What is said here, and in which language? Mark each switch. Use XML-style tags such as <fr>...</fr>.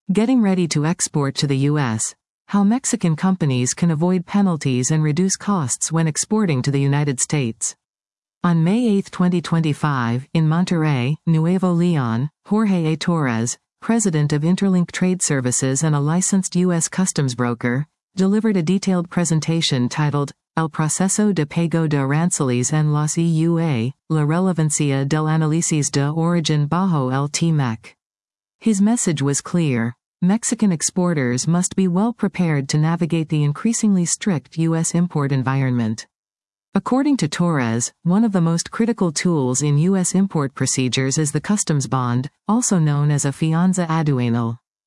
<en>Getting ready to export to the U.S. How Mexican companies can avoid penalties and reduce costs when exporting to the United States. On May 8, 2025, in Monterrey, Nuevo León, Jorge A. Torres, president of Interlink Trade Services and a licensed U.S. customs broker, delivered a detailed presentation titled,</en> <es>El proceso de pago de aranceles en los EUA, la relevancia del análisis de origen bajo el TMEC.</es> <en>His message was clear. Mexican exporters must be well prepared to navigate the increasingly strict U.S. import environment. According to Torres, one of the most critical tools in U.S. import procedures is the customs bond, also known as a fianza aduanal.</en>